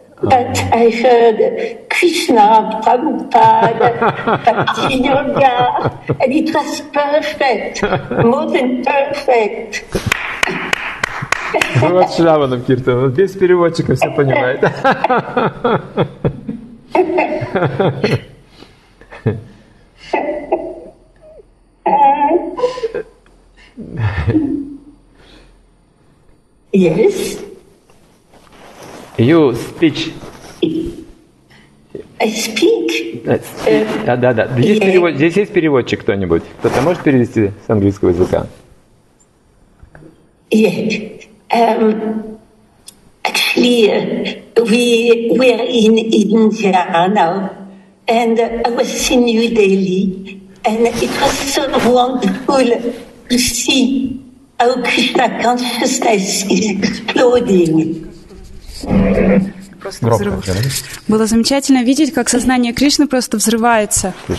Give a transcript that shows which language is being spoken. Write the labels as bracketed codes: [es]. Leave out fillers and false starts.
[en] But I heard Krishna, Prabhupada, Bhakti Yoga, and it was perfect, more than perfect. [ru] Ну вот с Шраваном, Киртан, без переводчика все понимает. [en] Yes. You speech. I speak. [ru] Да. Здесь, yeah. перевод, здесь есть переводчик кто-нибудь? Кто-то может перевести с английского языка? [en] Yeah. Actually, we are in India now, and I was in New Delhi, and it was so wonderful to see how Krishna consciousness is exploding. [ru] Было замечательно видеть, как сознание Кришны просто взрывается.